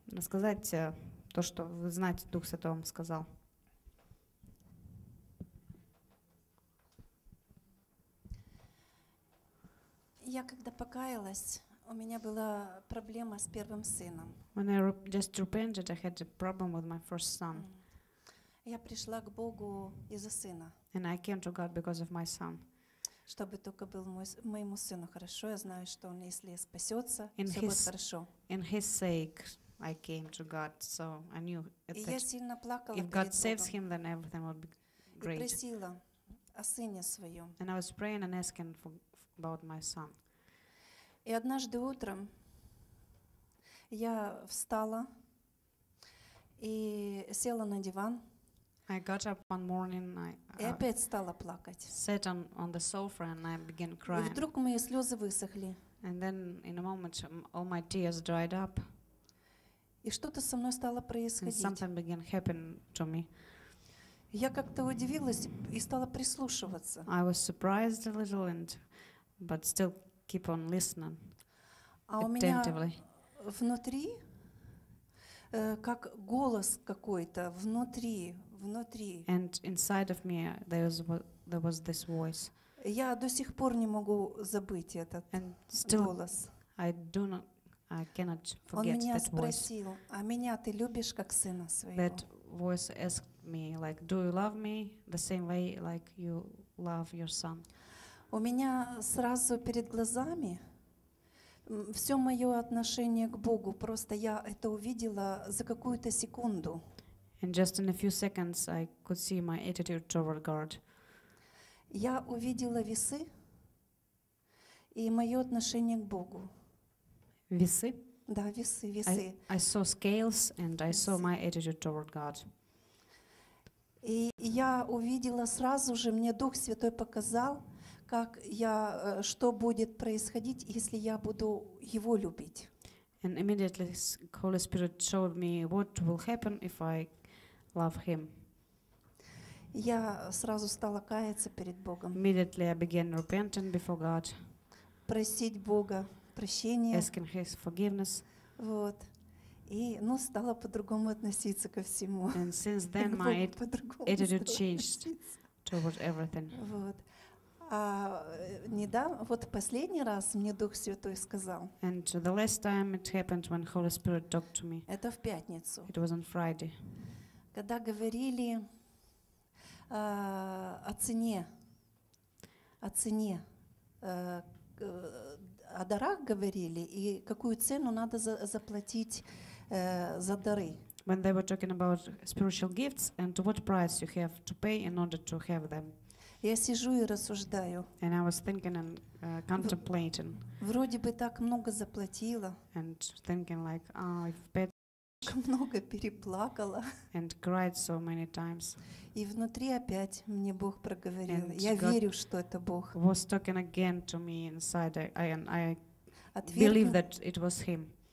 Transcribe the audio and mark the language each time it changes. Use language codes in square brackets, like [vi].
[ru] Рассказать то, что вы знаете, Дух Святой вам сказал. Я когда покаялась, у меня была проблема с первым сыном. [en] When I just repented, I had a problem with my first son. [ru] Я пришла к Богу из-за сына. [en] And I came to God because of my son. [ru] Чтобы только был моему сыну хорошо, я знаю, что он, если спасется, все будет хорошо. [en] In his sake, I came to God, so I knew [ru] that. И я сильно плакала. [en] If God saves him, then everything will be great. [ru] И просила о сыне своем. [en] And I was praying and asking about my son. [ru] И однажды утром я встала и села на диван. [en] I got up one morning, I sat on the sofa and I began crying. And then in a moment all my tears dried up. And something began happening to me. [ru] Я как-то удивилась и стала прислушиваться. [en] I was surprised a little but still keep on listening attentively. [ru] Внутри как голос какой-то внутри. [en] And inside of me there was this voice. [ru] Я до сих пор не могу забыть этот голос. [en] I cannot forget that voice. [ru] Он меня спросил: "А меня ты любишь как сына своего?" [en] That voice asked me, like, "Do you love me the same way like you love your son?" [ru] У меня сразу перед глазами все мое отношение к Богу, просто я это увидела за какую-то секунду. [en] And just in a few seconds I could see my attitude toward God. [ru] Я увидела весы и мое отношение к Богу. Весы? Да, весы, весы. [en] I saw scales and I saw my attitude toward God. [ru] И я увидела сразу же, мне Дух Святой показал, как я, что будет происходить, если я буду его любить. [en] And immediately Holy Spirit showed me what will happen if I love him. [ru] Я сразу стала каяться перед Богом. [en] Immediately I began repenting before God. [ru] Просить Бога прощения. [en] Asking his forgiveness. [ru] Вот. И, ну, стала по-другому относиться ко всему. [en] And since then my attitude changed toward everything. [ru] Вот. А недавно, вот последний раз мне Дух Святой сказал. [en] And the last time it happened when Holy Spirit talked to me. [ru] Это в пятницу. [en] It was on Friday. [ru] Когда говорили о цене, о дарах говорили и какую цену надо заплатить. За дары. [en] When they were talking about spiritual gifts and what price you have to pay in order to have them. [ru] Я сижу и рассуждаю. [en] And I was thinking and contemplating. [ru] Вроде бы так много заплатила. [en] And thinking like, oh, I've paid. [ru] Много переплакала. [en] And cried so many times. [ru] И внутри опять мне Бог проговорил. And я God верю, что это Бог. [en] Was talking again to me inside. I believe that it was him.